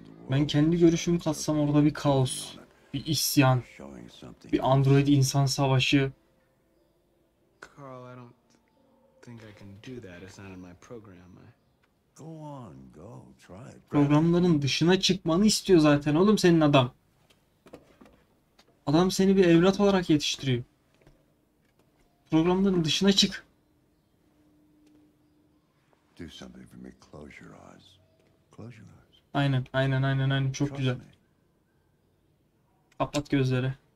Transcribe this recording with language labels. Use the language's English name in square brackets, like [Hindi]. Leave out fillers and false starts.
[Turkish] Ben kendi görüşümü katsam orada bir kaos, bir isyan, bir android insan savaşı. [English] Carl, I don't think I can do that. It's not in my program. Go on, go, try it. [Turkish] Programların dışına çıkmanı istiyor zaten oğlum senin adam. Adam seni bir evlat olarak yetiştiriyor. Programların dışına çık. [English] Do something for me. Close your eyes. Close your eyes. [Turkish] Aynen. Çok güzel. Kapat gözleri.